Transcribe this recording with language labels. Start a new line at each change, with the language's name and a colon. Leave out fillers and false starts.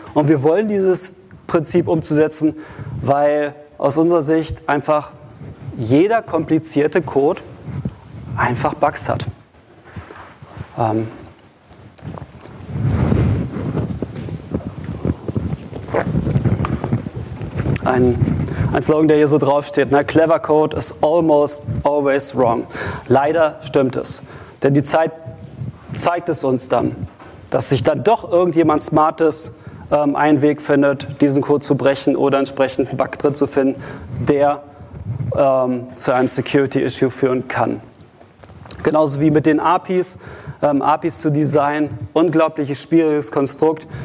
German: Und wir wollen dieses Prinzip umzusetzen, weil aus unserer Sicht einfach jeder komplizierte Code einfach Bugs hat. Ein Slogan, der hier so draufsteht, ne?
English: Clever Code is almost always wrong.
German: Leider stimmt es. Denn die Zeit zeigt es uns dann, dass sich dann doch irgendjemand Smartes einen Weg findet, diesen Code zu brechen oder entsprechend einen Bug drin zu finden, der zu einem Security-Issue führen kann. Genauso wie mit den APIs. APIs zu designen, unglaubliches, schwieriges Konstrukt.